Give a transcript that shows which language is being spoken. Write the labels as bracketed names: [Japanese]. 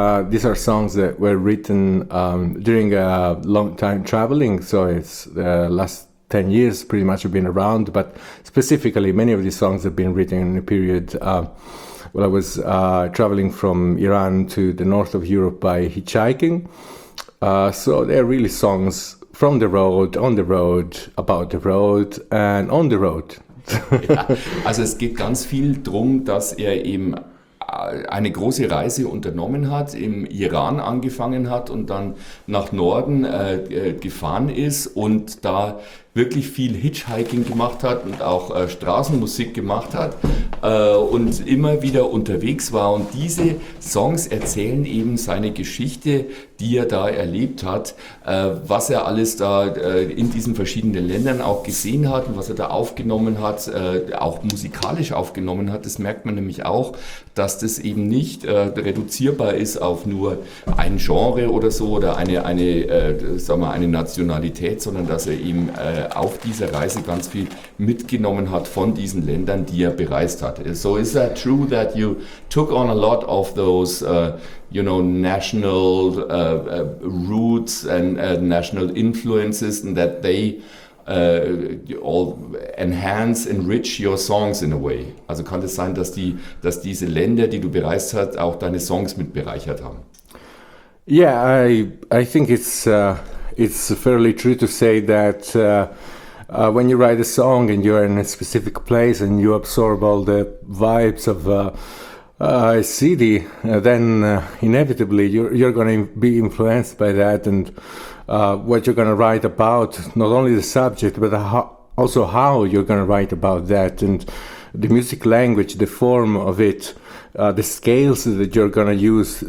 [English] These are songs that were written during a long time traveling, so it's the last 10 years pretty much have been around, but specifically many of these songs have been written in a period I was traveling from Iran to the north of Europe by hitchhiking. So they're really songs from the road, on the road, about the road and on the road. [German] Ja, also es geht ganz viel drum, dass er eben eine große Reise unternommen hat, im Iran angefangen hat und dann nach Norden gefahren ist und da wirklich viel Hitchhiking gemacht hat und auch Straßenmusik gemacht hat und immer wieder unterwegs war. Und diese Songs erzählen eben seine Geschichte, die er da erlebt hat, was er alles da in diesen verschiedenen Ländern auch gesehen hat und was er da aufgenommen hat, auch musikalisch aufgenommen hat. Das merkt man nämlich auch, dass das eben nicht reduzierbar ist auf nur ein Genre oder so oder eine Nationalität, sondern dass er eben auf dieser Reise ganz viel mitgenommen hat von diesen Ländern, die er bereist hat. [English] So is that true that you took on a lot of those national roots and national influences, and that they all enhance, enrich your songs in a way? [German] Also kann es sein, dass diese Länder, die du bereist hast, auch deine Songs mit bereichert haben? [English] Yeah, I think it's fairly true to say that when you write a song and you're in a specific place and you absorb all the vibes of a city, then inevitably you're going to be influenced by that, and what you're going to write about, not only the subject but also how you're going to write about that, and the music language, the form of it, the scales that you're going to use.